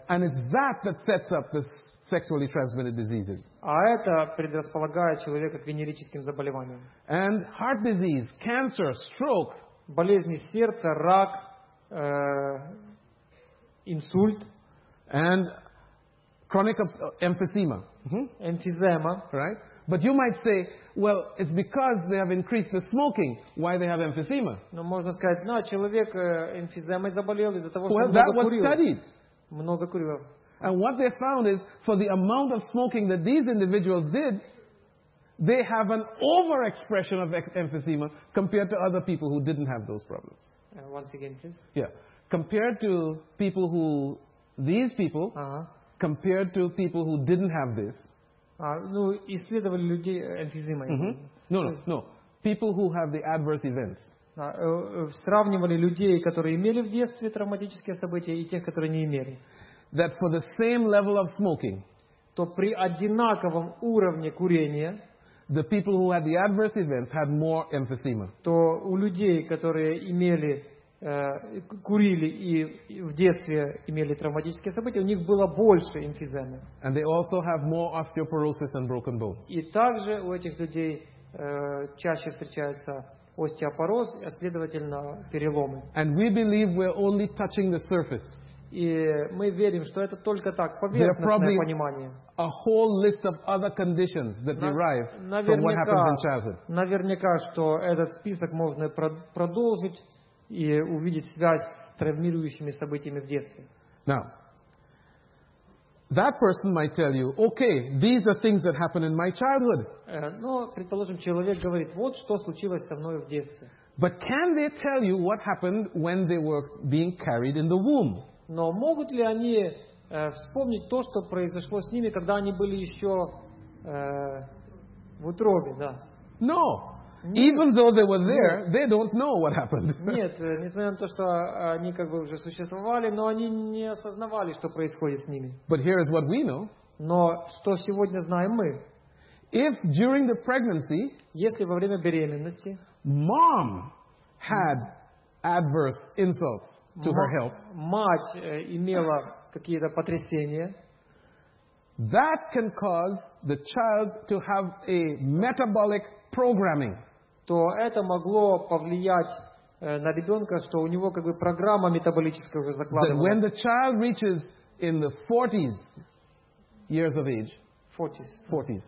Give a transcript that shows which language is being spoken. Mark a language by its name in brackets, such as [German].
[English] And it's that that sets up the sexually transmitted diseases. [Russian] А это предрасполагает человека к венерическим заболеваниям. [English] And heart disease, cancer, stroke. [Russian] Болезни сердца, рак, инсульт. [English] And chronic emphysema. Emphysema. Right? But you might say, well, it's because they have increased the smoking, why they have emphysema. [Russian] Но можно сказать, ну, человек эмфиземой заболел из-за того, [English] well, [Russian] что много курил. [English] Studied. [Russian] Много курил. [English] And what they found is, for the amount of smoking that these individuals did, they have an overexpression of emphysema compared to other people who didn't have those problems. Once again, please. Yeah. Compared to people who, these people, uh-huh. compared to people who didn't have this. [Russian] Ну, исследовали людей эмфизема. [English] No. People who have the adverse events. [Russian] Сравнивали людей, которые имели в детстве травматические события, и тех, которые не имели. [English] That for the same level of smoking, [Russian] то при одинаковом уровне курения, [English] the people who had the adverse events had more emphysema. [Russian] То у людей, которые имели курили и в детстве имели травматические события, у них было больше эмфиземы. [English] And they also have more osteoporosis and broken bones. [Russian] И также у этих людей чаще встречается остеопороз, а следовательно переломы. [English] And we believe we're only touching the surface. [Russian] И мы верим, что это только так, поверхностное понимание. [English] A whole list of other conditions that derive from what happens in childhood. [Russian] Наверняка, что этот список можно продолжить и увидеть связь с травмирующими событиями в детстве. [English] Now, that person might tell you, okay, these are things that happened in my childhood. [Russian] Но, предположим, человек говорит, вот что случилось со мной в детстве. [English] But can they tell you what happened when they were being carried in the womb? [Russian] Но могут ли они вспомнить то, что произошло с ними, когда они были еще в утробе, да? [English] No. [Russian] Нет. [English] Even though they were there, they don't know what happened. [Russian] Нет, несмотря на то, что они как бы уже существовали, но они не осознавали, что происходит с ними. [English] But here is what we know. [Russian] Но что сегодня знаем мы? [English] If during the pregnancy, [Russian] если во время беременности, [English] mom had adverse insults to her health, [Russian] мать имела какие-то потрясения. [English] That can cause the child to have a metabolic programming. [Russian] То это могло повлиять на ребенка, что у него как бы программа метаболическая уже закладывалась. [English] That when the child reaches in the 40s years of age, 40s.